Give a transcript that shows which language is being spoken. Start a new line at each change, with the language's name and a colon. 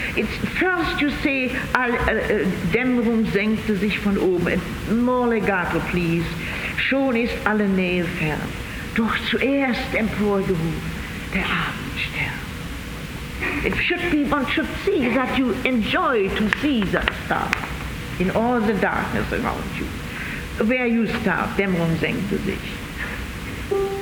English: It's first you say,
German: Dämmerung senkte sich von oben.
English: And more legato, please.
German: Schon ist alle Nähe fern. Doch zuerst emporgehoben der Abendstern.
English: One should see that you enjoy to see that star in all the darkness around you. Where you start,
German: Dämmerung senkte sich.